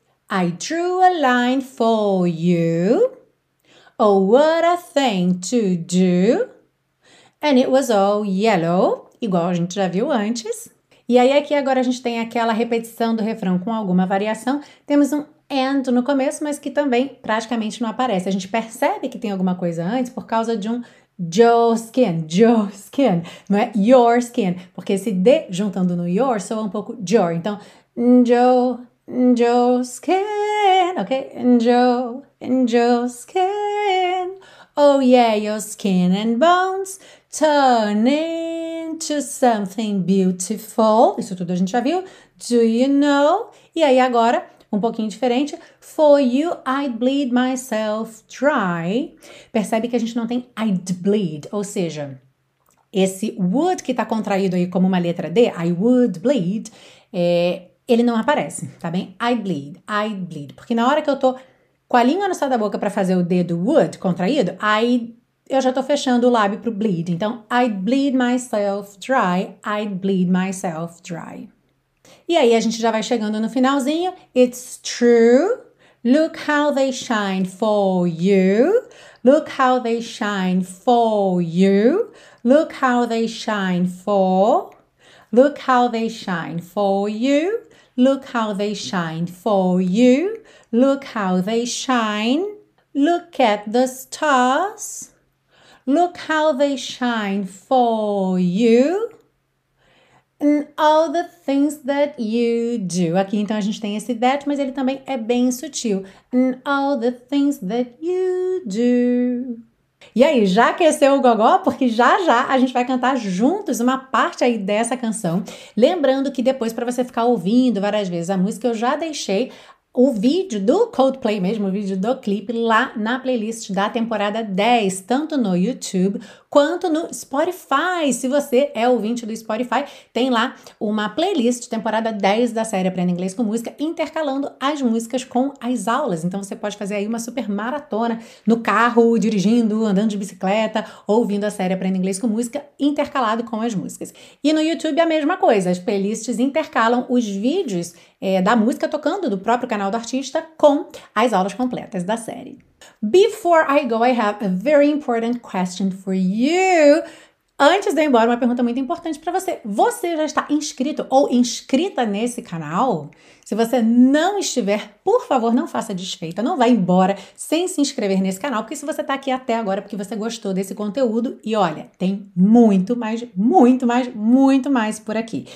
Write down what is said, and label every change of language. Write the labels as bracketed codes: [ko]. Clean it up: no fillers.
[en] I drew a line for you. Oh, what a thing to do. And it was all yellow, [pt] igual a gente já viu antes. E aí aqui agora a gente tem aquela repetição do refrão com alguma variação. Temos um and no começo, mas que também praticamente não aparece. A gente percebe que tem alguma coisa antes por causa de um [en] your skin, [pt] não é your skin. Porque esse D juntando no your soa um pouco your. [en] Então, your skin, ok? Your skin. Oh yeah, your skin and bones turn into something beautiful. [pt] Isso tudo a gente já viu. [en] Do you know? [pt] E aí agora, um pouquinho diferente. [en] For you, I'd bleed myself dry. [pt] Percebe que a gente não tem I'd bleed, ou seja, esse would que está contraído aí como uma letra D, [en] I would bleed, [pt] ele não aparece, tá bem? [en] I'd bleed. [pt] Porque na hora que eu tô com a língua no céu da boca para fazer o D do would contraído, aí eu já tô fechando o lábio pro bleed. [en] Então, I'd bleed myself dry, I'd bleed myself dry. [pt] E aí a gente já vai chegando no finalzinho. [en] It's true, look how they shine for you. Look how they shine for you. Look how they shine for. Look how they shine for you. Look how they shine for you. Look how they shine. Look at the stars. Look how they shine for you. And all the things that you do. [pt] Aqui então a gente tem esse that, mas ele também é bem sutil. [en] And all the things that you do. [pt] E aí, já aqueceu o gogó? Porque já já a gente vai cantar juntos uma parte aí dessa canção. Lembrando que depois, para você ficar ouvindo várias vezes a música, eu já deixei o vídeo do Coldplay mesmo, o vídeo do clipe, lá na playlist da temporada 10, tanto no YouTube quanto no Spotify. Se você é ouvinte do Spotify, tem lá uma playlist temporada 10 da série Aprenda Inglês com Música, intercalando as músicas com as aulas. Então você pode fazer aí uma super maratona no carro, dirigindo, andando de bicicleta, ouvindo a série Aprenda Inglês com Música, intercalado com as músicas. E no YouTube é a mesma coisa, as playlists intercalam os vídeos da música tocando, do próprio canal do artista, com as aulas completas da série. [en] Before I go, I have a very important question for you. [pt] Antes de ir embora, uma pergunta muito importante para você. Você já está inscrito ou inscrita nesse canal? Se você não estiver, por favor, não faça desfeita, não vá embora sem se inscrever nesse canal, porque se você está aqui até agora é porque você gostou desse conteúdo e olha, tem muito mais, muito mais, muito mais por aqui.